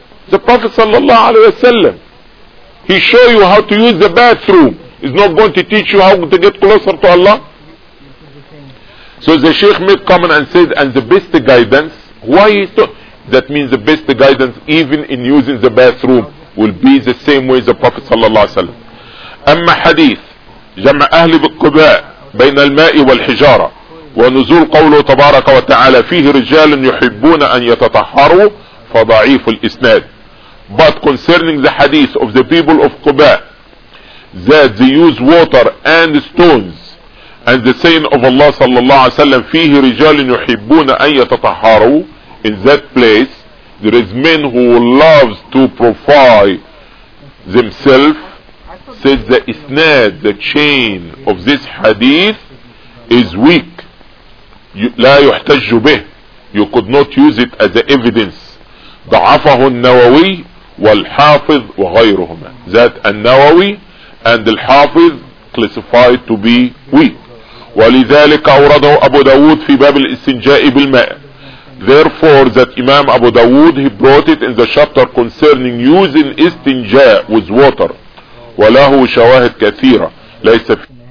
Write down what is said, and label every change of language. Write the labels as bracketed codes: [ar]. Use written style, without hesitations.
[en] The Prophet sallallahu alaihi wasallam, he show you how to use the bathroom. He's not going to teach you how to get closer to Allah. So the Sheikh made comment and said, and the best guidance, why is that? Means the best guidance even in using the bathroom will be the same way the Prophet صلى الله عليه وسلم. [ar] أما حديث جمع أهل بالقباء بين الماء والحجارة ونزول قوله تبارك وتعالى فيه رجال يحبون أن يتطهروا فضعيف الإسناد. [en] But concerning the hadith of the people of Quba that they use water and stones. And the saying of Allah sallallahu alayhi wa sallam, [ar] فِيهِ رِجَالٍ يُحِبُّونَ أَن يَتَطَحَّرُوا. [en] In that place, there is men who loves to purify themselves. Said the isnad, the chain of this hadith is weak. [ar] لا يحتج به. [en] You could not use it as the evidence. [ar] ضعفه النووي والحافظ وغيرهما. [en] That النووي and الحافظ classified to be weak. [ar] ولذلك أورده أبو داود في باب الاستنجاء بالماء. [en] Therefore that Imam Abu Dawood, he brought it in the chapter concerning using istinja with water. [ar] وله شواهد كثيرة ليس في